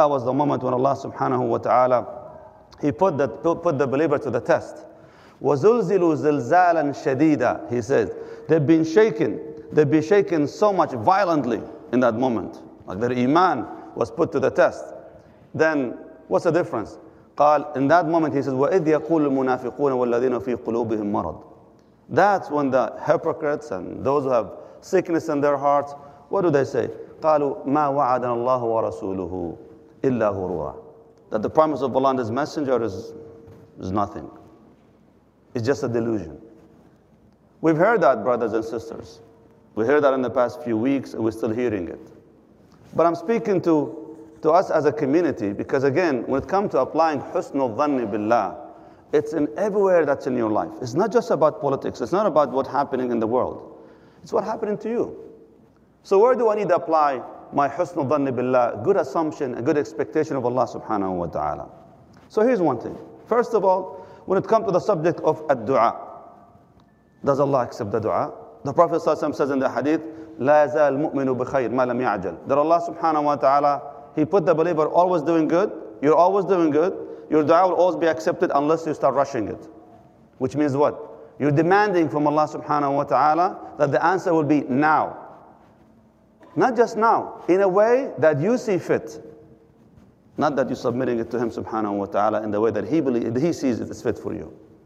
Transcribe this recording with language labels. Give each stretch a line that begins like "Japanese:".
English: That was the moment when Allah subhanahu wa ta'ala, He put the believer to the test.
Arabic: وَزُلْزِلُوا زِلْزَالًا شَدِيدًا.
English: He says, they've been shaken so much violently in that moment. Like, their iman was put to the test. Then, what's the difference?
Arabic: قال,
English: in that moment, he says,
Arabic: وَإِذْ يَقُولُ الْمُنَافِقُونَ وَالَّذِينَ فِي قُلُوبِهِمْ مَرَضٌ.
English: That's when the hypocrites and those who have sickness in their hearts, what do they say?
Arabic: قَالُوا مَا وَعَدَنَ اللَّهُ وَرَسُولُهُ إِلَّا غُرُوَى.
English: That the promise of Allah and His messenger is nothing. It's just a delusion. We've heard that, brothers and sisters. We heard that in the past few weeks, and we're still hearing it. But I'm speaking to us as a community, because again, when it comes to applying husnul dhanni billah, it's in everywhere that's in your life. It's not just about politics. It's not about what's happening in the world. It's what's happening to you. So where do I need to apply my husnul dhanni billah, good assumption, a good expectation of Allah subhanahu wa ta'ala? So here's one thing. First of all, when it comes to the subject of ad-du'a, does Allah accept the du'a? The Prophet says in the hadith,
Arabic: لا يزال مؤمن بخير ما لم يعجل.
English: That Allah subhanahu wa ta'ala, He put the believer always doing good. You're always doing good. Your du'a will always be accepted unless you start rushing it. Which means what? You're demanding from Allah subhanahu wa ta'ala that the answer will be now. Not just now, in a way that you see fit. Not that you're submitting it to him, subhanahu wa ta'ala, in the way that he sees it is fit for you.